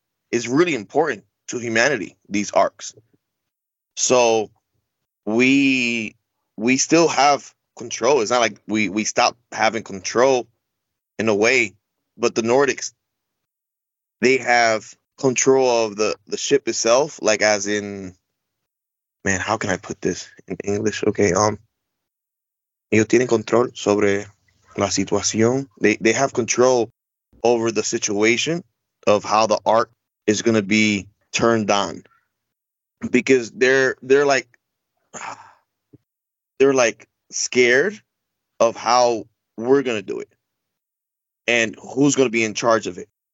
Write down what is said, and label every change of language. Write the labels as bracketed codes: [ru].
[en] It's really important to humanity, these arcs. So we still have control. It's not like we stopped having control in a way, but the Nordics, they have control of the ship itself, like as in, man, how can I put this in English? [es] Okay, ellos tienen control sobre la situación. [en] They have control over the situation of how the arc is going to be turned on, because they're like scared of how we're going to do it and who's going to be in charge of it.